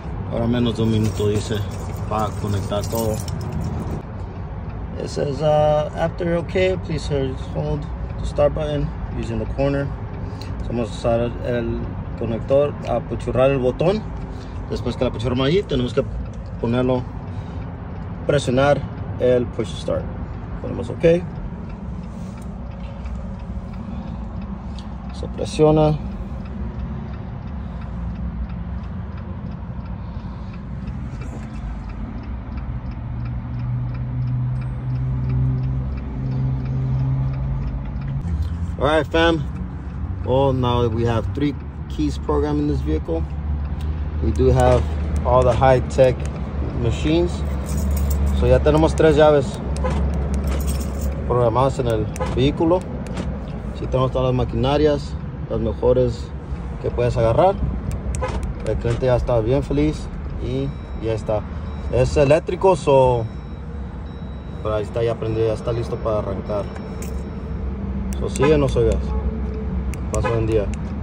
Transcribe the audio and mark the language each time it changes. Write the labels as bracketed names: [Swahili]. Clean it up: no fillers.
[Spanish] Ahora menos de un minuto dice para conectar todo. [English] It says, after okay, please hold the start button using the corner. [Spanish] So vamos a usar el conector, apuchurrar el botón. Después que la apuchurramos allí, tenemos que ponerlo, presionar el push start. Ponemos okay. Se presiona. [English] All right, fam. Well, now we have three keys programmed in this vehicle. We do have all the high-tech machines. [Spanish] So ya tenemos tres llaves programadas en el vehículo. Si tenemos todas las maquinarias, las mejores que puedes agarrar. El cliente ya está bien feliz y ya está. Es eléctrico, so, pero ahí está, ya prendido, ya está listo para arrancar. O sigue o no sigas. Paso un día.